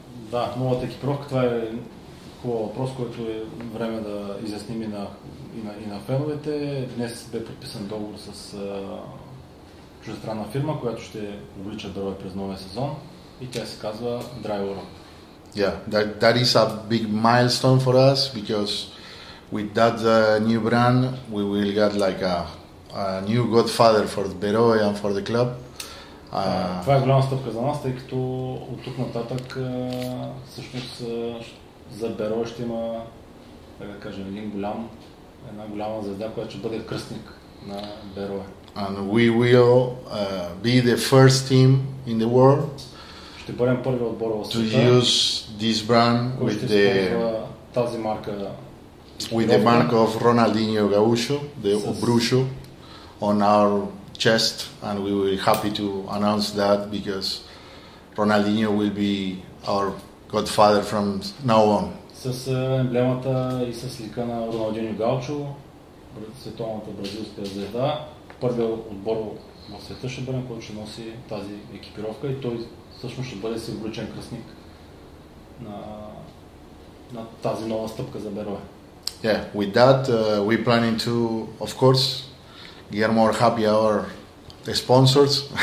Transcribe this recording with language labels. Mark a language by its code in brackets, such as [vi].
[bg] Да, новата екипировка, това е хубав въпрос, който е време да изясним и на, и на, и на феновете. Днес бе подписан договор с чуждестранна фирма, която ще облича Берое през новия сезон и тя се казва Dry World. [en] Yeah, that is a big milestone for us because with that new brand we will get like a new godfather for Berое and for the club. [bg] Това е голяма стъпка за нас, тъй като от тук нататък всъщност за Берое ще има, така да кажем, една голяма звезда, която ще бъде кръстник на Берое. [en] And we will be the first team in the world. [bg] Ще бъдем първият отбор в света. [en] To use this brand with the [bg] тази марка [en] with the mark of Ronaldinho Gaúcho, the Obrucho on our chest, and we will be happy to announce that because Ronaldinho will be our godfather from now on. [bg] С емблемата и с лика на Роналдиньо Гаучо, световната бразилска звезда, първият отбор в света ще бъде, който ще носи тази екипировка и той всъщност ще бъде символичен кръстник на, на тази нова стъпка за Берое. [en] Yeah, with that we planning to, of course, get more happy our sponsors